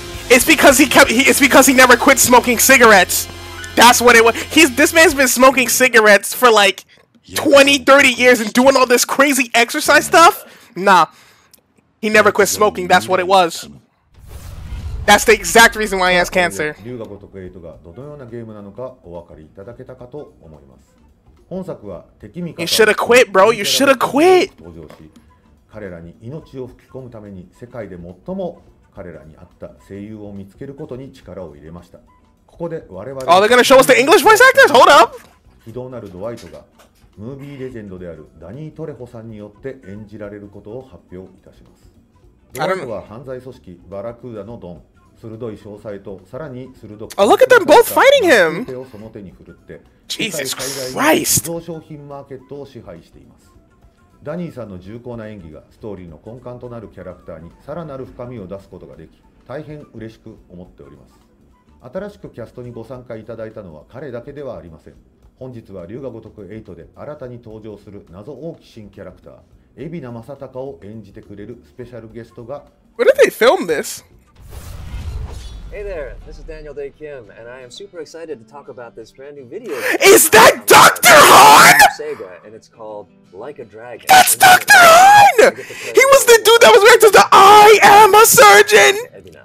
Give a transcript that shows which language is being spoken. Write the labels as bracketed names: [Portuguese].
[English] It's because he never quit smoking cigarettes. That's what it was. This man's been smoking cigarettes for like 20, 30 years and doing all this crazy exercise stuff? Nah. He never quit smoking. That's what it was. That's the exact reason why he has cancer. [Japanese] 龍が如く8がどのようなゲームなのかお分かりいただけたかと思います。本作は敵味方。 [English] You should have quit, bro. You should have quit. [Japanese] 彼らに命を吹き込むために世界で最も彼らに合った声優を見つけることに力を入れました。ここで我々は、 [English] Oh, they're gonna show us the English voice actors? Hold up! [Japanese] 非道なるドワイトがムービーレジェンドであるダニー・トレホさんによって演じられることを発表いたします。ドワイトは犯罪組織バラクーダのドン、鋭い詳細とさらに鋭く、 [English] Oh, look at them both fighting him! [Japanese] 手をその手に振るって、 [English] Jesus Christ! [Japanese] 自動商品マーケットを支配しています。ダニーさんの重厚な演技がストーリーの根幹となるキャラクターにさらなる深みを出すことができ、大変嬉しく思っております。新しくキャストにご参加いただいたのは彼だけではありません。本日は龍が如く8で新たに登場する謎多き新キャラクター、海老名正隆を演じてくれるスペシャルゲストが。 [English] When did they film this? Hey there, this is Daniel Day Kim, and I am super excited to talk about this brand new video. Is that Dr. Han? Sega, and it's called Like a Dragon. That's Dr. Han! He was the dude that was reacting to the I am a surgeon!